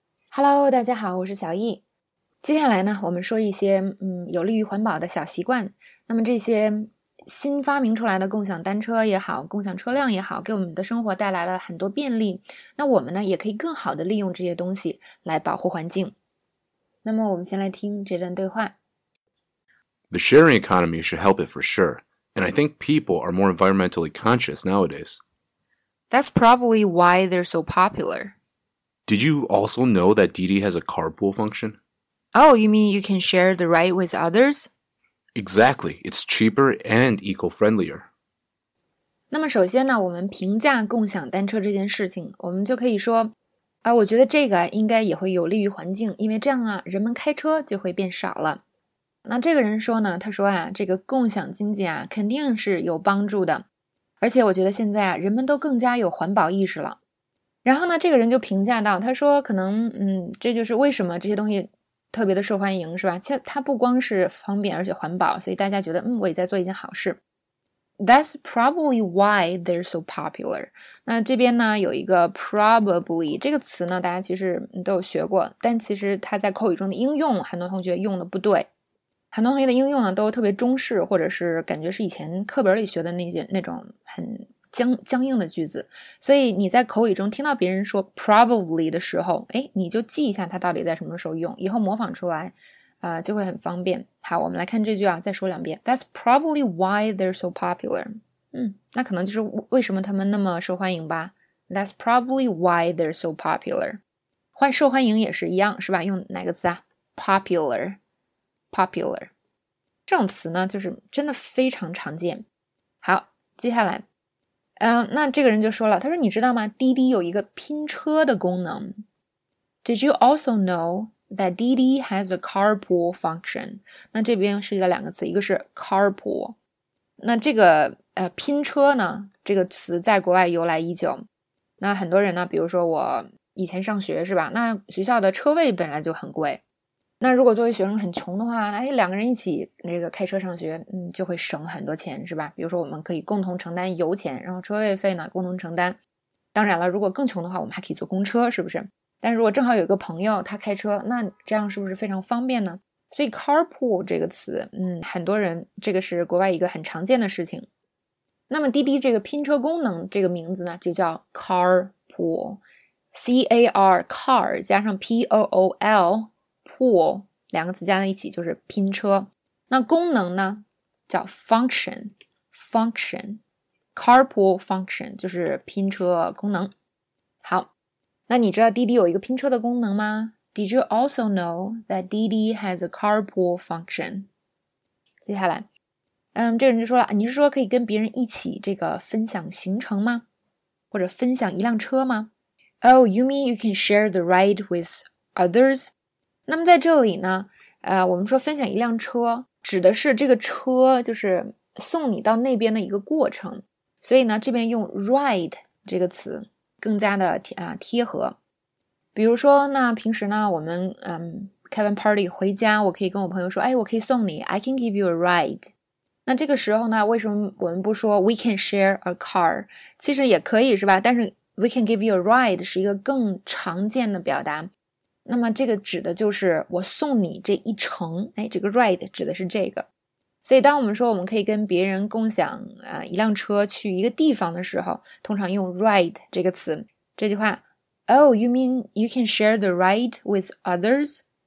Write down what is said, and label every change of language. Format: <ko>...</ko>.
<zh>Hello，大家好，我是小易。接下来呢，我们说一些有利于环保的小习惯。那么这些新发明出来的共享单车也好，共享车辆也好，给我们的生活带来了很多便利。那我们呢，也可以更好的利用这些东西来保护环境。那么我们先来听这段对话。</zh> <en>The sharing economy should help it for sure, and I think people are more environmentally conscious nowadays. That's probably why they're so popular. Did you also know that Didi has a carpool function? Oh, you mean you can share the ride with others? Exactly, it's cheaper and eco-friendlier.</en> <zh>那么首先呢，我们评价共享单车这件事情，我们就可以说，啊，我觉得这个应该也会有利于环境，因为这样啊，人们开车就会变少了。那这个人说呢，他说啊，这个共享经济啊，肯定是有帮助的，而且我觉得现在啊，人们都更加有环保意识了。然后呢，这个人就评价到，他说可能，这就是为什么这些东西特别的受欢迎，是吧？其实它不光是方便，而且环保，所以大家觉得，我也在做一件好事。</zh> <en>That's probably why they're so popular.</en> <zh>那这边呢，有一个 probably 这个词呢，大家其实都有学过，但其实它在口语中的应用，很多同学用的不对。很多同学的应用呢，都特别中式，或者是感觉是以前课本里学的那种很僵硬的句子，所以你在口语中听到别人说 probably 的时候，哎，你就记一下它到底在什么时候用，以后模仿出来，就会很方便。好，我们来看这句啊，再说两遍。</zh> <en>That's probably why they're so popular.</en> <zh>那可能就是为什么他们那么受欢迎吧。</zh> <en>That's probably why they're so popular.</en> <zh>受欢迎也是一样，是吧？用哪个词啊 ？Popular, popular. 这种词呢，就是真的非常常见。好，接下来。那这个人就说了，他说你知道吗？滴滴有一个拼车的功能。</zh> <en>Did you also know that Didi has a carpool function?</en> <zh>那这边涉及到两个词，一个是 carpool。那这个拼车呢，这个词在国外由来已久。那很多人呢，比如说我以前上学是吧？那学校的车位本来就很贵。那如果作为学生很穷的话，哎，两个人一起那个开车上学，就会省很多钱，是吧？比如说我们可以共同承担油钱，然后车位费呢共同承担。当然了，如果更穷的话，我们还可以坐公车，是不是？但如果正好有一个朋友他开车，那这样是不是非常方便呢？所以 carpool 这个词，很多人这个是国外一个很常见的事情。那么滴滴这个拼车功能这个名字呢，就叫 carpool，C-A-R car 加上 P-O-O-L。 pool 两个词加在一起就是拼车，那功能呢叫 function，carpool function 就是拼车功能。好，那你知道滴滴有一个拼车的功能吗 ？</zh> <en>Did you also know that Didi has a carpool function？</en> <zh>接下来，这个人就说了，你是说可以跟别人一起这个分享行程吗？或者分享一辆车吗</zh> <en>？Oh, you mean you can share the ride with others？</en> <zh>那么在这里呢，我们说分享一辆车，指的是这个车就是送你到那边的一个过程。所以呢，这边用 ride 这个词更加的贴合。比如说，那平时呢，我们开完 party 回家，我可以跟我朋友说，哎，我可以送你 ，</zh> <en>I can give you a ride。</en> <zh>那这个时候呢，为什么我们不说</zh> <en>we can share a car？</en> <zh>其实也可以是吧？但是</zh> <en>we can give you a ride</en> <zh>是一个更常见的表达。那么这个指的就是我送你这一程，哎，这个 ride 指的是这个。所以当我们说我们可以跟别人共享一辆车去一个地方的时候，通常用 ride 这个词。这句话</zh> <en>，Oh, you mean you can share the ride with others？</en>